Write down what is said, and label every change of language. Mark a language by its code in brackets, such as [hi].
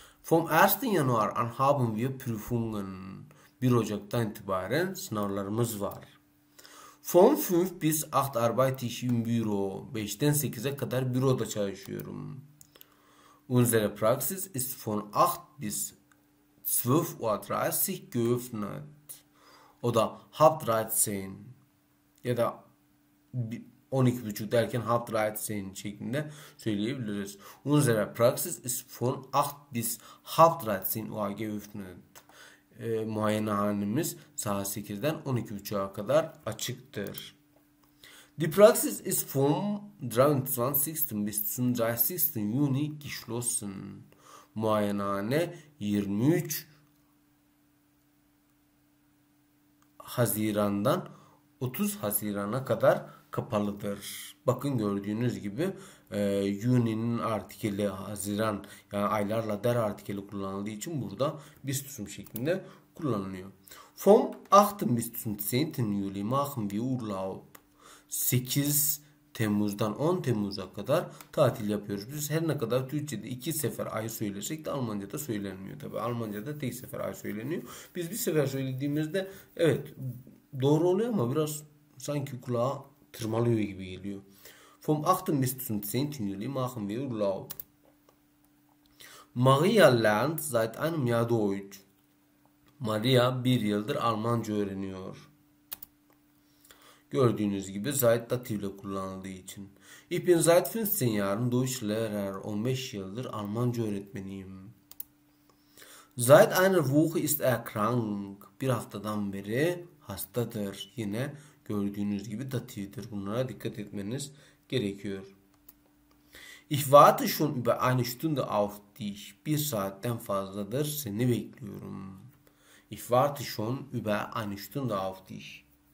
[de] Vom 1. Januar an haben wir Prüfungen. [tr] 1 Ocak'tan itibaren sınavlarımız var. [de] Von 5 bis 8 arbeite ich im Büro. [tr] 5'ten 8'e kadar büroda çalışıyorum. [de] Unsere Praxis ist von 8 bis 12:30 geöffnet. [tr] O da 13. Ya da 12,5 derken hat right sein şeklinde söyleyebiliriz. [de] Unsere Praxis ist von 8 bis hat right sein geöffnet. [tr] Muayenehanemiz saat 8'den 12.30'a kadar açıktır. [de] Die Praxis ist vom 23. bis zum 30. Juni geschlossen. [tr] Muayenehane 23 Haziran'dan 30 Haziran'a kadar kapalıdır. Bakın gördüğünüz gibi Juni'nin artikeli Haziran, yani aylarla der artikeli kullanıldığı için burada bistum şeklinde kullanılıyor. [de] Vom 8. bis zum 10. Juli machen wir Urlaub. [tr] 8 Temmuz'dan 10 Temmuz'a kadar tatil yapıyoruz. Biz her ne kadar Türkçe'de iki sefer ay söylesek de Almanca'da söylenmiyor tabii. Almanca'da tek sefer ay söyleniyor. Biz bir sefer söylediğimizde evet doğru oluyor ama biraz sanki kulağa tırmalıyor gibi geliyor. [de] Vom 8. bis zum 10. Juli machen wir Urlaub. Maria lernt seit einem Jahr Deutsch. [tr] Maria bir yıldır Almanca öğreniyor. Gördüğünüz gibi seit dativ ile kullanıldığı için. [de] Ich bin seit 15 Jahren Deutschlehrer. [tr] 15 yıldır Almanca öğretmeniyim. [de] Seit einer Woche ist er krank. [tr] Bir haftadan beri hastadır. Yine gördüğünüz gibi datiftir. Bunlara dikkat etmeniz gerekiyor. [de] Ich warte schon über eine Stunde auf dich. [tr] Bir saatten fazladır seni bekliyorum. [de] Ich warte schon über eine Stunde auf dich.